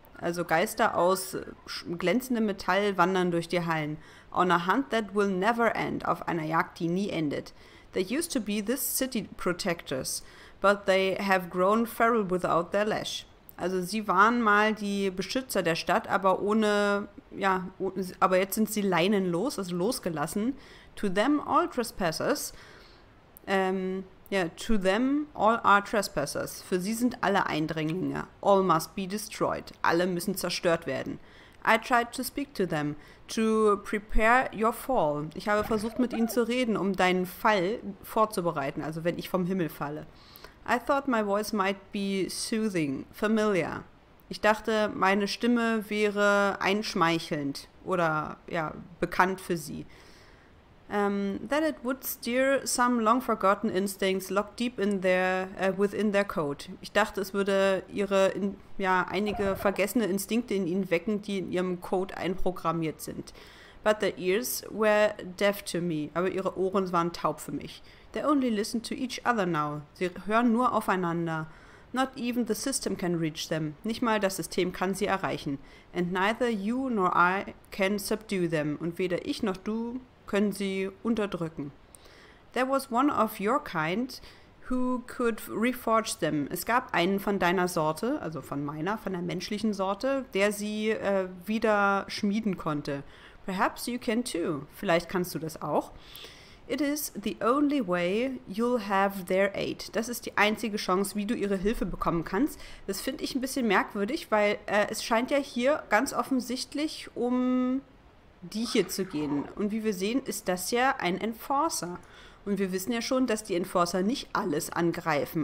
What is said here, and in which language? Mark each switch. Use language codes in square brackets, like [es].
[de] Also Geister aus glänzendem Metall wandern durch die Hallen. [en] On a hunt that will never end. [de] Auf einer Jagd, die nie endet. [en] They used to be the city protectors, but they have grown feral without their lash. [de] Also sie waren mal die Beschützer der Stadt, aber ohne, ja, aber jetzt sind sie leinenlos, also losgelassen. [en] To them all trespassers, to them all are trespassers. [de] Für sie sind alle Eindringlinge. [en] All must be destroyed. [de] Alle müssen zerstört werden. [en] I tried to speak to them, to prepare your fall. [de] Ich habe versucht, mit ihnen zu reden, um deinen Fall vorzubereiten, also wenn ich vom Himmel falle. [en] I thought my voice might be soothing, familiar. [de] Ich dachte, meine Stimme wäre einschmeichelnd oder, ja, bekannt für sie. [en] That it would stir some long-forgotten instincts locked deep in their, within their code. [de] Ich dachte, es würde ihre, einige vergessene Instinkte in ihnen wecken, die in ihrem Code einprogrammiert sind. [en] But their ears were deaf to me. [de] Aber ihre Ohren waren taub für mich. [en] They only listen to each other now. [de] Sie hören nur aufeinander. [en] Not even the system can reach them. [de] Nicht mal das System kann sie erreichen. [en] And neither you nor I can subdue them. [de] Und weder ich noch du können sie unterdrücken. [en] There was one of your kind who could reforge them. [de] Es gab einen von deiner Sorte, also von meiner, von der menschlichen Sorte, der sie wieder schmieden konnte. [en] Perhaps you can too. [de] Vielleicht kannst du das auch. [en] It is the only way you'll have their aid. [de] Das ist die einzige Chance, wie du ihre Hilfe bekommen kannst. Das finde ich ein bisschen merkwürdig, weil es scheint ja hier ganz offensichtlich um die hier zu gehen. Und wie wir sehen, ist das ja ein Enforcer. Und wir wissen ja schon, dass die Enforcer nicht alles angreifen.